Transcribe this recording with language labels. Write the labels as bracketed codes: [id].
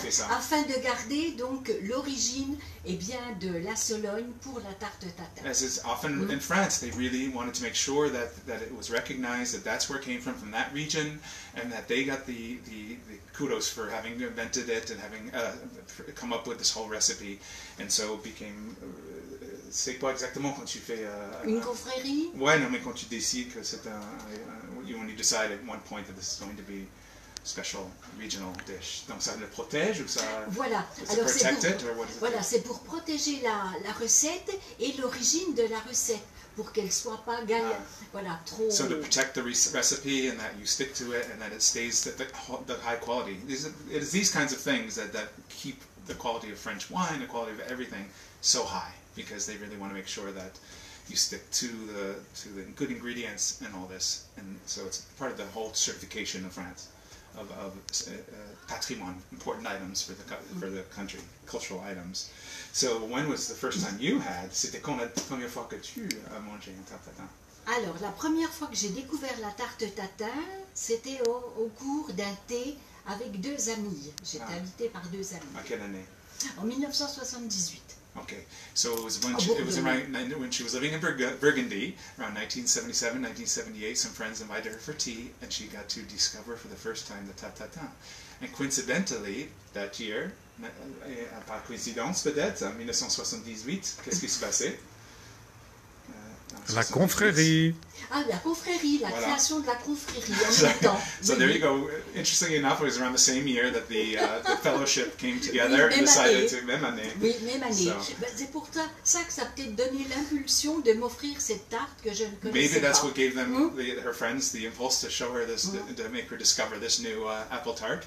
[fr] afin de garder donc l'origine et bien de la Sologne pour la tarte tatin. [en] As is often in France, they really wanted to make sure that it was recognized that that's where it came from that region, and that they got the kudos for having invented it and having come up with this whole recipe, and so it became. [fr] C'est quoi exactement quand tu fais une confrérie? Ouais, non, mais quand tu décides que c'est [en] when you decide at one point that this is going to be special regional dish. [fr] Donc ça le protège ou ça? Voilà. Alors c'est pour protéger la recette et l'origine de la recette pour qu'elle soit pas trop. [en] So to protect the recipe and that you stick to it and that it stays the high quality. It is these kinds of things that keep the quality of French wine, the quality of everything so high. Because they really want to make sure that you stick to the good ingredients and all this, and so it's part of the whole certification of France, of patrimoine, important items for the country, cultural items. So when was the first time you had? [fr] C'était quand la première fois que tu as mangé un tarte tatin? Alors la première fois que j'ai découvert la tarte tatin, c'était au cours d'un thé avec deux amis. J'étais invitée par deux amis. À quelle année? En 1978. [en] Okay, so it was around when she was living in Burgundy, around 1977, 1978, some friends invited her for tea, and she got to discover for the first time the tatin. And coincidentally, that year, [fr] par coïncidence peut-être, en 1978, qu'est-ce qui s'est passé? La confrérie. Ah, la confrérie, la voilà. Création de la confrérie en même temps. [en] So there you go. Interestingly enough, it was around the same year that the fellowship came together [fr] oui, [en] and decided [fr] To même année. Oui, même année. So. Ben, c'est pour ça que ça a peut-être donné l'impulsion de m'offrir cette tarte que je ne connaissais [en] Maybe [fr] pas. [en] Maybe that's what gave them her friends the impulse to show her this, to make her discover this new apple tart.